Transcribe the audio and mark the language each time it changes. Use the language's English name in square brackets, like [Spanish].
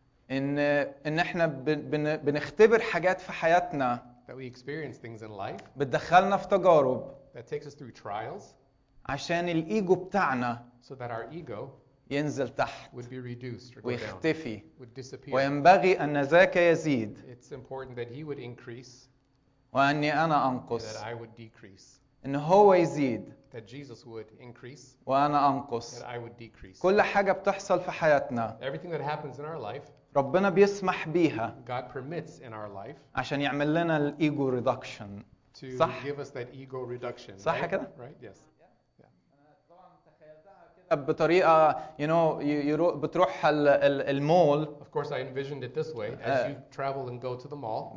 [Arabic] إن إحنا بنختبر حاجات في حياتنا [English] That we experience things in life. [Arabic] بتدخلنا في تجارب. [English] That takes us through trials. [Arabic] عشان الإيجو بتاعنا. [English] So that our ego. [Arabic] ينزل تحت. [English] Would be reduced or go [Arabic] ويختفي. [English] Down. Would disappear. [Arabic] وينبغي أن ذاك يزيد. [English] It's important that he would increase. [Arabic] وأني أنا أنقص. [English] That I would decrease. [Arabic] إن هو يزيد. [English] That Jesus would increase. [Arabic] وأنا أنقص. [English] That I would decrease. [Arabic] كل حاجة بتحصل في حياتنا. [English] Everything that happens in our life. [Arabic] ربنا بيسمح بيها [English] God permits in our life [Arabic] عشان يعمل لنا الإيجو ريدكشن [English] to صح؟ give us that ego reduction [Arabic] صح [English] right? [Arabic] كده؟ [English] right yes yeah. yeah. [Arabic] بطريقة [English] you know [Arabic] بتروح المول [English] of course I envisioned it this way as you travel and go to the mall